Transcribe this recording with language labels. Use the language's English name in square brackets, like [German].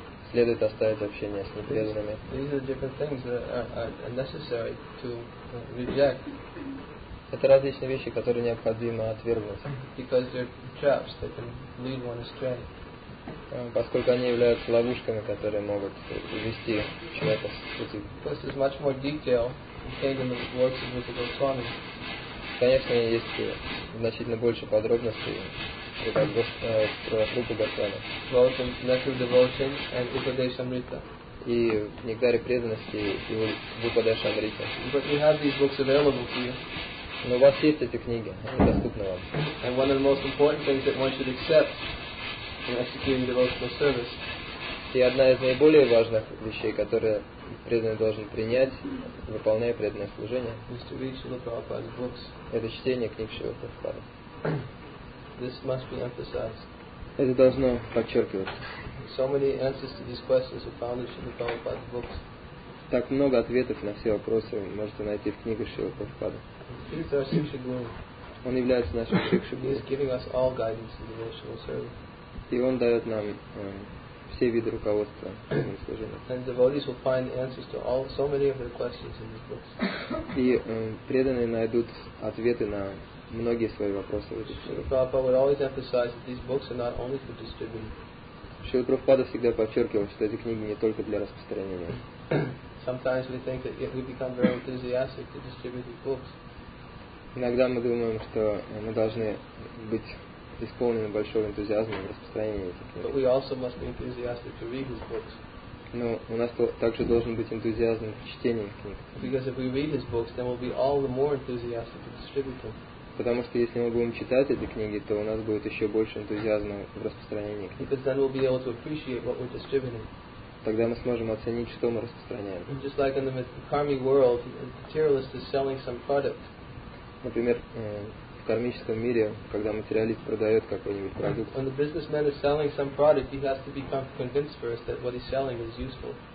[Russian] Следует оставить общение с непреданными. [English] These are different things that are necessary to reject. [Russian] Это различные вещи, которые необходимо отвергнуть. [English] Because they're traps that can lead one astray. [Russian] Поскольку они являются ловушками, которые могут увести человека с пути. [English] Because there's much more detail contained in the works of Rupa Goswami. [Russian] Конечно, есть значительно больше подробностей. [English] Both in Nectar of Devotion and Upadeshamrita. [Russian] И в Нектаре преданности и в Упадешамрите. [English] But you have these books available to you. [Russian] Но у вас есть эти книги, они доступны вам. [English] And one of the most important things that one should accept in executing devotional service. [Russian] И одна из наиболее важных вещей, которые преданный должен принять, выполняя преданное служение, [English] is to read Srila Prabhupada's books. [Russian] Это чтение книг Шрилы Прабхупады. [English] This must be emphasized. [Russian] Это должно подчеркиваться. [English] So many answers to these questions are found in Srila Prabhupada's books. [Russian] Так много ответов на все вопросы можете найти в книге Шрилы Прабхупады. [English] He's our Shiksha Guru. [Russian] Он является нашим Shiksha Guru. [English] He is giving us all guidance in devotional service. [Russian] И он дает нам все виды руководства в служении. [English] And devotees will find answers to all so many of their questions in these books. [Russian] И преданные найдут ответы на многие свои вопросы. [English] Шрила Прабхупада would always emphasize that these books are not only for distributing. [Russian] Шрила Прабхупада всегда подчеркивал, что эти книги не только для распространения. [English] Sometimes we think that we become very enthusiastic to distribute these books. [Russian] Иногда мы думаем, что мы должны быть исполнены большого энтузиазма в распространении этих книг. [English] But we also must be enthusiastic to read these books. [Russian] Но у нас также должен быть энтузиазм в чтении книг. [English] Because if we read these books, then we'll be all the more enthusiastic to distribute them. [Russian] Потому что если мы будем читать эти книги, то у нас будет еще больше энтузиазма в распространении книг. [English] Because then we'll be able to appreciate what we're distributing. [Russian] Тогда мы сможем оценить, что мы распространяем. [English] Just like in the karmic world, a materialist is selling some product. [Russian] Например, в кармическом мире, когда материалист продает какой-нибудь продукт. [English] When the businessman is selling some product, he has to become convinced first that what he's selling is useful.